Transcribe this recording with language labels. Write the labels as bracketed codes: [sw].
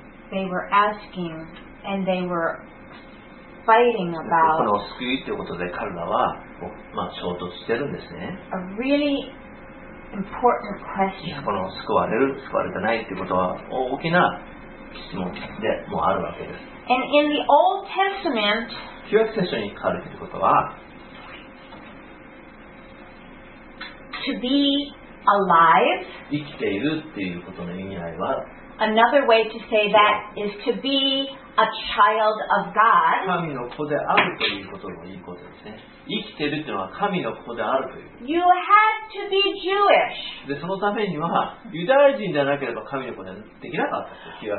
[en] they were asking and they were fighting about [ja] この救いということで彼らは、衝突してるんですね。 [en] A really important question. [ja] この救われる、救われてないということは大きな質問でもあるわけです。 [en] And in the Old Testament, [ja] 旧約聖書に書かれていることは、 [en] To be alive. [ja] 生きているっていうことの意味合いは [en] Another way to say that is to be a child of God. [ja] 神の子であるということのいいことですね。生きているというのは神の子であるという。 [en] You had to be Jewish. [ja] で、そのためにはユダヤ人じゃなければ神の子でできなかったんですよ。